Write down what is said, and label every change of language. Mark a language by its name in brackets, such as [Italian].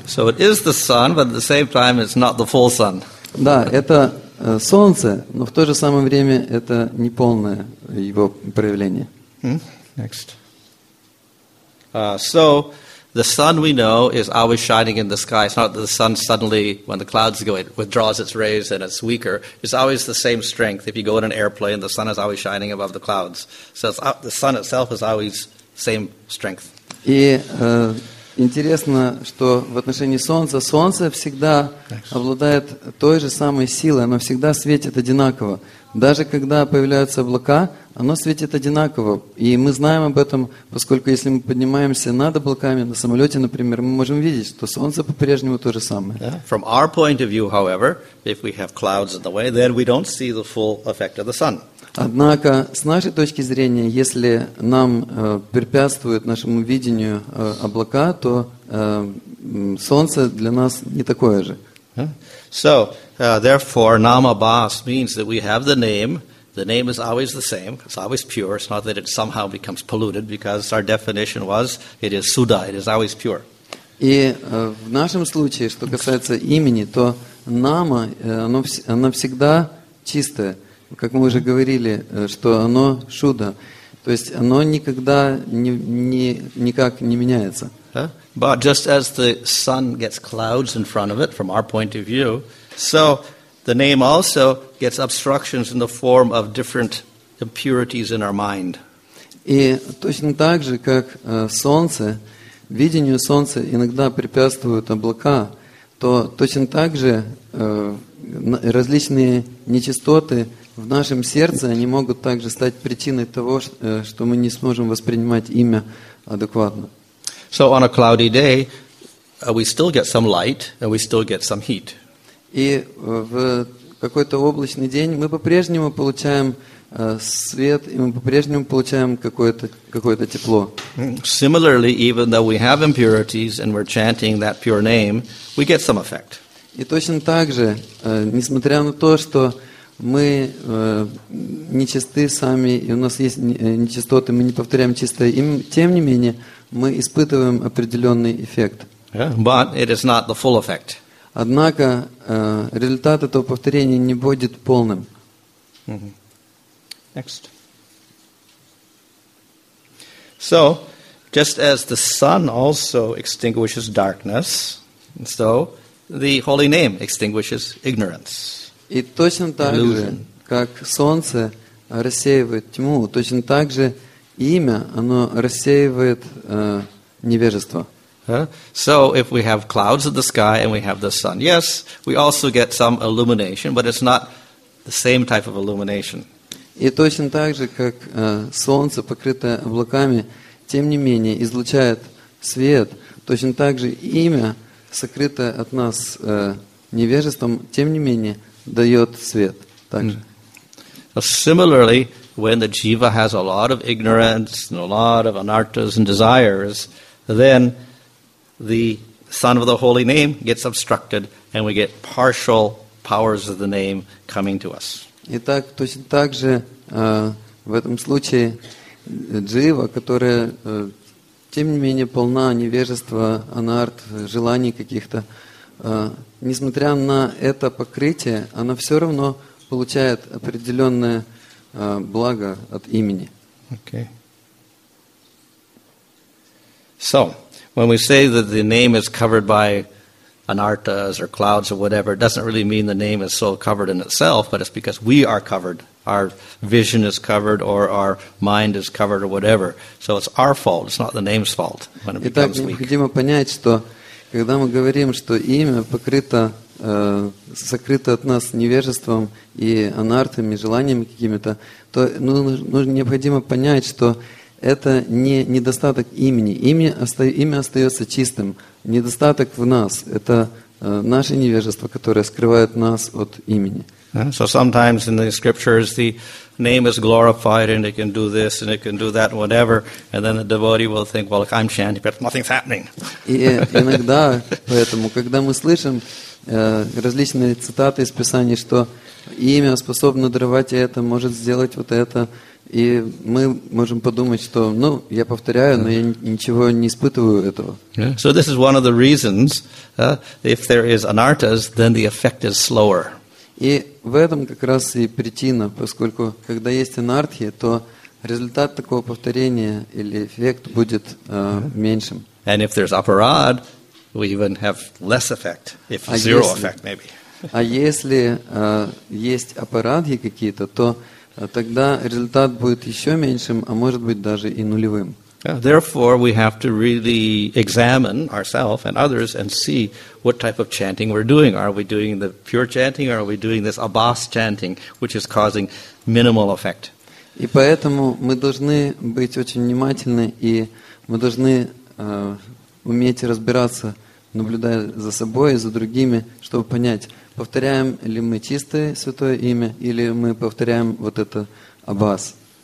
[English] So it is the sun, but at the same time it's not the full sun. [Russian] Да, это солнце, но в то же самое время это неполное его проявление. [English] Next. So the sun we know is always shining in the sky. It's not that the sun suddenly, when the clouds go, it withdraws its rays and it's weaker. It's always the same strength. If you go in an airplane, the sun is always shining above the clouds. So it's, the sun itself is always same strength. [Russian] И интересно, что в отношении солнца, солнце всегда обладает той же самой силой, оно всегда светит одинаково. Даже когда появляются облака, оно светит одинаково. И мы знаем об этом, поскольку если мы поднимаемся над облаками, на самолете, например, мы можем видеть, что солнце по-прежнему то же самое. [English] From our point of view, however, if we have clouds in the way, then we don't see the full effect of the sun. [Russian] Однако, с нашей точки зрения, если нам препятствует нашему видению облака, то солнце для нас не такое же. [English] So, therefore, Nam Abhas means that we have the name is always the same, it's always pure, it's not that it somehow becomes polluted, because our definition was, it is Sudha, it is always pure. [Russian] И в нашем случае, что касается имени, то Нама, оно всегда чистое. Как мы уже говорили, что оно шуда, то есть оно никогда никак не меняется. [English] But just as the sun gets clouds in front of it, from our point of view, so the name also gets obstructions in the form of different impurities in our mind. [Russian] И точно так же, как солнце, видению солнца иногда препятствуют облака, то точно так же различные нечистоты в нашем сердце они могут также стать причиной того, что мы не сможем воспринимать имя адекватно. [English] So on a cloudy day, we still get some light and we still get some heat. [Russian] И в какой-то облачный день мы по-прежнему получаем свет и мы по-прежнему получаем какое-то тепло. [English] Similarly, even though we have impurities and we're chanting that pure name, we get some effect. [Russian] И точно так же, несмотря на то, что мы нечисты сами, и у нас есть нечистоты, мы не повторяем чистое имя. Тем не менее, мы испытываем определенный эффект. [English] But it is not the full effect. [Russian] Однако результат этого повторения не будет полным. [English] Mm-hmm. Next. So, just as the sun also extinguishes darkness, so the holy name extinguishes ignorance. [Russian] И точно так же, как солнце рассеивает тьму, точно так же имя, оно рассеивает невежество. [English] So if we have clouds in the sky and we have the sun, yes, we also get some illumination, but it's not the same type of illumination. [Russian] И точно так же, как солнце, покрытое облаками, тем не менее излучает свет, точно так же имя, сокрытое от нас невежеством, тем не менее дает свет. [English] Similarly, when the jiva has a lot of ignorance and a lot of anarthas and desires, then the sun of the holy name gets obstructed, and we get partial powers of the name coming to us. [Russian] Итак, точно так же в этом случае джива, которая тем не менее полна невежества, анарт, желаний каких-то, несмотря на это покрытие, она все равно получает определенное благо от имени. [English] Okay. So, when we say that the name is covered by anartas or clouds or whatever, it doesn't really mean the name is so covered in itself, but it's because we are covered. Our vision is covered or our mind is covered or whatever. So it's our fault, it's not the name's fault when it [Russian] Итак, [English] becomes weak. [Russian] Необходимо понять, что когда мы говорим, что имя покрыто, сокрыто от нас невежеством и анартами, желаниями какими-то, то необходимо понять, что это не недостаток имени. Имя остается чистым. Недостаток в нас – это наше невежество, которое скрывает нас от имени. [English] So sometimes in the scriptures the name is glorified and it can do this and it can do that and whatever, and then the devotee will think, well, I'm chanting, but nothing's happening. [Russian] И иногда, поэтому, когда мы слышим различные цитаты из Писаний, что имя способно даровать это, может сделать вот это, и мы можем подумать, что, ну, я повторяю, но я ничего не испытываю этого. [English] Yeah. So this is one of the reasons, if there is anartas, then the effect is slower. [Russian] И в этом как раз и причина, поскольку когда есть анартхи, то результат такого повторения или эффект будет меньшим. [English] And if there's aparad, we even have less effect, if zero effect maybe. [Russian] А если есть апарадхи какие-то, то тогда результат будет еще меньшим, а может быть даже и нулевым. [English] Therefore, we have to really examine ourselves and others and see what type of chanting we're doing. Are we doing the pure chanting, or are we doing this abhas chanting, which is causing minimal effect? [Russian] И поэтому мы должны быть очень внимательны, и мы должны уметь разбираться, наблюдая за собой и за другими, чтобы понять, повторяем ли мы чистое святое имя, или мы повторяем вот это абхас.